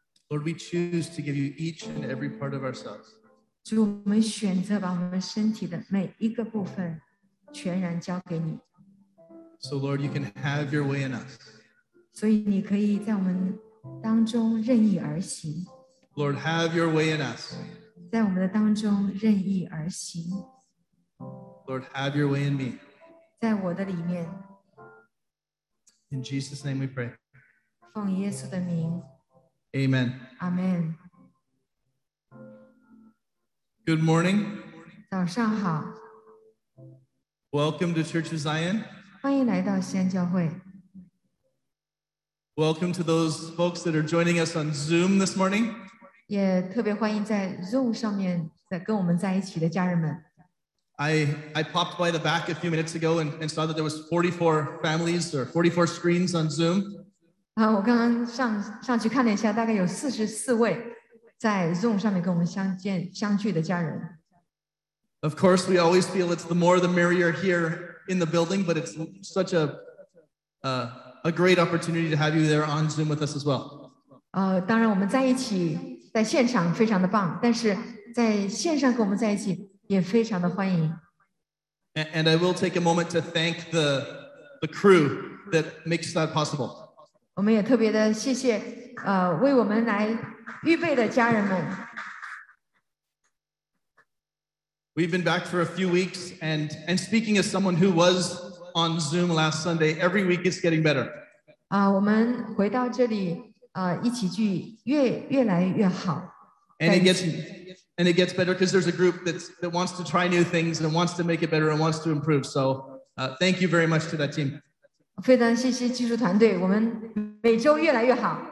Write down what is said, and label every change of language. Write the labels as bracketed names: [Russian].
[English] Lord, we choose to give you each and every part of ourselves. [Chinese] 主，我们选择把我们身体的每一个部分全然交给你。 [English] So Lord, you can have your way in us. [Chinese] 所以你可以在我们当中任意而行。 [English] Lord, have your way in us. [Chinese] 在我们的当中任意而行。 [English] Lord, have your way in me. [Chinese] 在我的里面。 [English] In Jesus' name we pray. [Chinese] 奉耶稣的名。 [English] Amen. Amen. Good morning. [Chinese] 早上好。 [English] Welcome to Church of Zion. [Chinese] 欢迎来到锡安教会。 [English] Welcome to those folks that are joining us on Zoom this morning. [Chinese] 也特别欢迎在 Zoom 上面在跟我们在一起的家人们。 [English] I popped by the back a few minutes ago and saw that there was 44 families or 44 screens on Zoom. [Chinese] 我刚刚 上去看了一下，大概有44位在 Zoom 上面跟我们相聚的家人。 [English] Of course, we always feel it's the more the merrier here in the building, but it's such a great opportunity to have you there on Zoom with us as well. [Chinese] 当然我们在一起在现场非常的棒，但是在线上跟我们在一起也非常的欢迎。 [English] And I will take a moment to thank the crew that makes that possible. [Chinese] 我们也特别的谢谢为我们来预备的家人们。 [English] We've been back for a few weeks, and speaking as someone who was on Zoom last Sunday, every week is getting better. [Chinese] 我们回到这里一起聚越来越好。 [English] And it gets better because there's a group that wants to try new things and wants to make it better and wants to improve. So thank you very much to that team. [Chinese] 非常谢谢技术团队，我们每周越来越好。